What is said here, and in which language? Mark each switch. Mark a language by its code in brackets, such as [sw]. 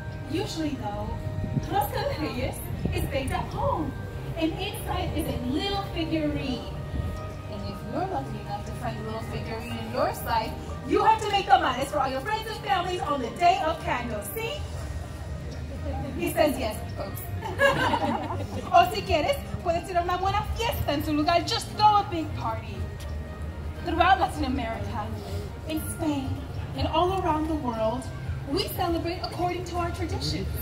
[en] Usually, though, rosca de reyes is baked at home, and inside is a little figurine. You're lucky enough to find little figures in your side, You have to make tamales for all your friends and families on the day of candles. See? He says yes, folks. [es] O si quieres, puedes tener una buena fiesta en su lugar. [en] Just throw a big party. Throughout Latin America, in Spain, and all around the world, we celebrate according to our tradition.